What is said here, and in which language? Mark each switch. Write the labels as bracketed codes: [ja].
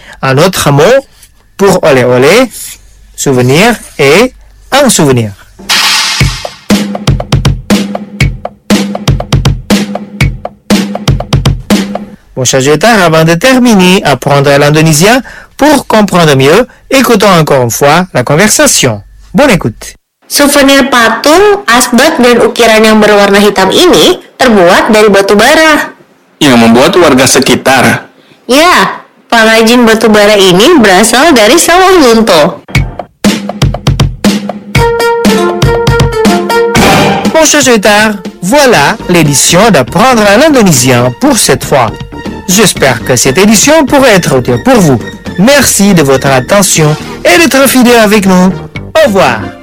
[fr] Un autre mot pour oleh-oleh, souvenir, est un souvenir. Bon, chers auditeurs, avant de terminer, apprendre l'indonésien pour comprendre mieux, écoutons encore une fois la conversation. Bonne écoute. [id] Souvenir patung, asbak, dan ukiran yang berwarna hitam ini terbuat dari batu bara. Yang membuat warga sekitar. Ya, pengrajin batu bara ini berasal dari Sawah Lunto. [fr] Bon, chers auditeurs, voilà l'édition d'apprendre l'indonésien pour cette fois. J'espère que cette édition pourrait être utile pour vous. Merci de votre attention et d'être fidèle avec nous. Au revoir.